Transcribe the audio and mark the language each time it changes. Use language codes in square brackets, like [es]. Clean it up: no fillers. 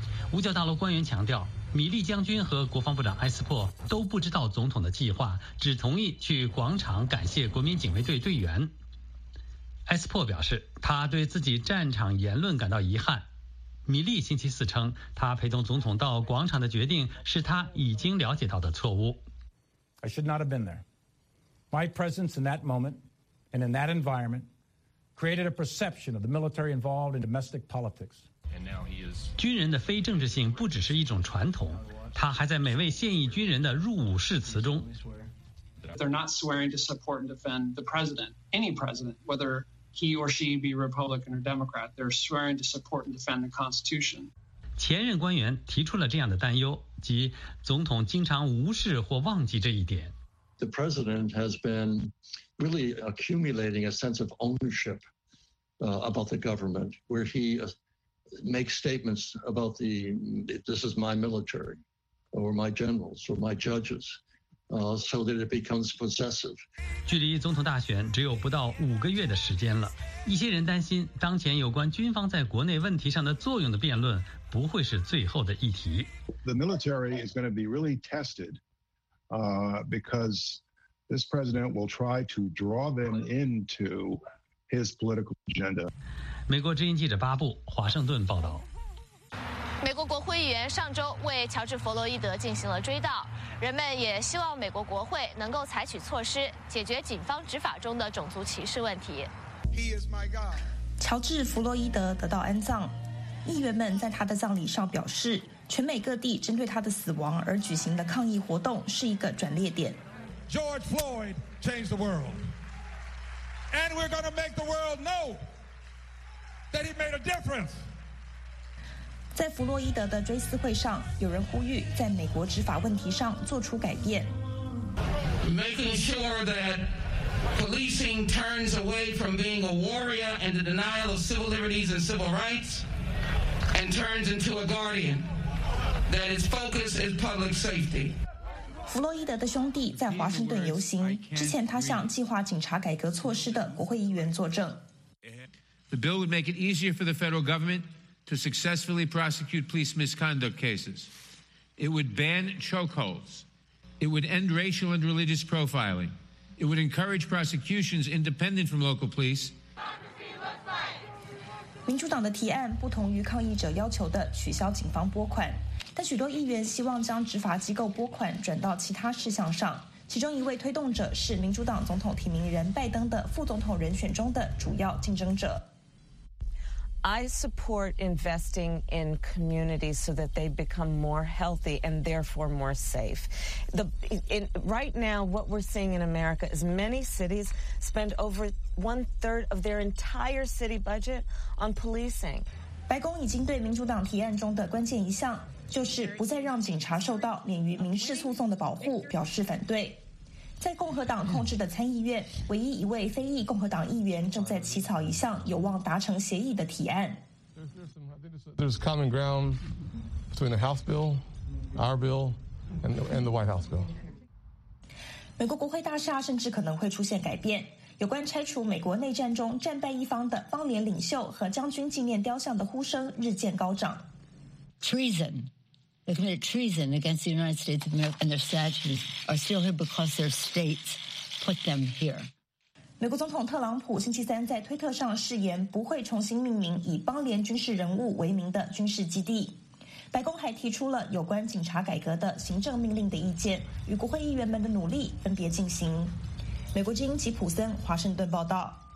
[zh] 五角大楼官员强调，米利将军和国防部长埃斯珀都不知道总统的计划，只同意去广场感谢国民警卫队队员。埃斯珀表示，他对自己战场言论感到遗憾。米利星期四称，他陪同总统到广场的决定是他已经了解到的错误。 [en] I should not have been there. My presence in that moment and in that environment created a perception of the military involved in domestic politics. [zh] 军人的非政治性不只是一种传统，它还在每位现役军人的入伍誓词中。 [en] They're not swearing to support and defend the president, any president, whether. He or she be Republican or Democrat, they're swearing to support and defend the Constitution. [zh] 前任官员提出了这样的担忧，即总统经常无视或忘记这一点。 [en] The president has been really accumulating a sense of ownership about the government, where he makes statements about the this is my military, or my generals, or my judges. So that it becomes possessive. [zh] 距离总统大选只有不到五个月的时间了，一些人担心当前有关军方在国内问题上的作用的辩论不会是最后的议题。 [en] The military is going to be really tested, because this president will try to draw them into his political agenda. [zh] 美国之音记者巴布，华盛顿报道。美国国会议员上周为乔治·弗洛伊德进行了追悼，人们也希望美国国会能够采取措施，解决警方执法中的种族歧视问题。 [en] He is my God. [zh] 乔治·弗洛伊德得到安葬，议员们在他的葬礼上表示，全美各地针对他的死亡而举行的抗议活动是一个转捩点。 [en] George Floyd changed the world. And we're going to make the world know that he made a difference. [zh] 在弗洛伊德的追思会上，有人呼吁在美国执法问题上做出改变。 [en] Making sure that policing turns away from being a warrior and the denial of civil liberties and civil rights and turns into a guardian, that its focus is public safety. [zh] 弗洛伊德的兄弟在华盛顿游行，之前他向计划警察改革措施的国会议员作证。 [en] The bill would make it easier for the federal government. To successfully prosecute police misconduct cases, it would ban chokeholds. It would end racial and religious profiling. It would encourage prosecutions independent from local police. [zh] 民主党的提案不同于抗议者要求的取消警方拨款，但许多议员希望将执法机构拨款转到其他事项上。其中一位推动者是民主党总统提名人拜登的副总统人选中的主要竞争者。 [en] I support investing in communities so that they become more healthy and therefore more safe. Right now, what we're seeing in America is many cities spend over one third of their entire city budget on policing. [zh] 白宫已经对民主党提案中的关键一项，就是不再让警察受到免于民事诉讼的保护，表示反对。在共和党控制的参议院，唯一一位非裔共和党议员正在起草一项有望达成协议的提案。 [en] There's common ground between the House bill, our bill, and the White House bill. [zh] 美国国会大厦甚至可能会出现改变。有关拆除美国内战中战败一方的邦联领袖和将军纪念雕像的呼声日渐高涨。 [en] Treason. They committed treason against the United States of America, and their statues are still here because their states put them here. [zh] 美国总统特朗普星期三在推特上誓言不会重新命名以邦联军事人物为名的军事基地。白宫还提出了有关警察改革的行政命令的意见，与国会议员们的努力分别进行。美国之音吉普森，华盛顿报道。